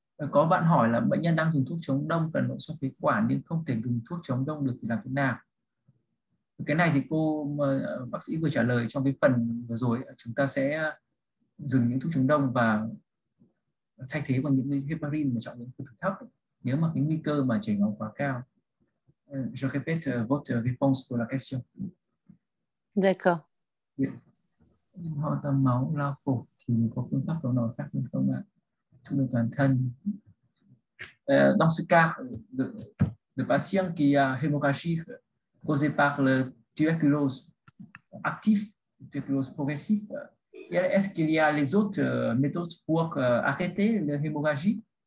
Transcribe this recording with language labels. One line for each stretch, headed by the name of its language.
Vietnamese: Có bạn hỏi là bệnh nhân đang dùng thuốc chống đông cần nội soi phế quản nhưng không thể dùng thuốc chống đông được thì làm thế nào? Cái này thì cô bác sĩ vừa trả lời trong cái phần vừa rồi, chúng ta sẽ dừng những thuốc chống đông và thay thế bằng những heparin mà trọng lượng cực thấp nếu mà cái nguy cơ mà chảy máu quá cao.
French: Je répète votre réponse pour la question. D'accord.
Vietnamese: Ho ra máu lao cổ thì có phương pháp nào khác hơn không ạ?
French: Dans ce cas, le patient qui a hémorragie causée par le tuberculose actif, le tuberculose progressif, est-ce qu'il y a les autres méthodes pour arrêter l'hémorragie?